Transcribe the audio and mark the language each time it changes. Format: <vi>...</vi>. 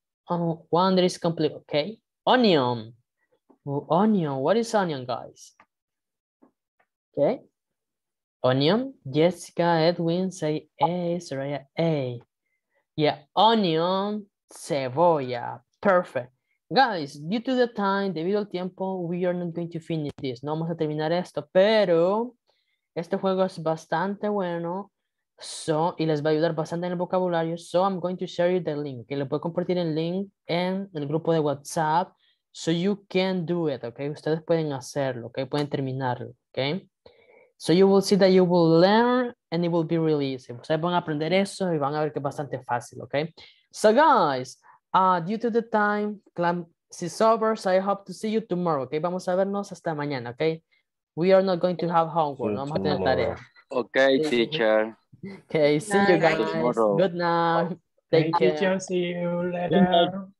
<en>Oh, one that is complete, okay? Onion. Onion, what is onion, guys? Okay. Onion, Jessica, Edwin, say A, Soraya, A. Yeah, onion, cebolla, perfect. Guys, due to the time, debido al tiempo, we are not going to finish this.</en> <es>No vamos a terminar esto, pero este juego es bastante bueno. So, y les va a ayudar bastante en el vocabulario.</es> <en>So, I'm going to share you the link.</en> <es>Que le puedo compartir el link en el grupo de WhatsApp.</es> <en>So you can do it, okay? Ustedes pueden hacerlo, okay? Pueden terminarlo, okay? So you will see that you will learn and it will be really easy.</en> <es>Ustedes van a aprender eso y van a ver que es bastante fácil, okay?</es> <en>So guys, due to the time, class is over, so I hope to see you tomorrow, okay?</en> <es>Vamos a vernos hasta mañana, okay? We are not going to have homework, no vamos a tener tarea.</es> <en>Okay, teacher. Okay, see you guys. Good night. Thank you. Teacher, see you later.</en>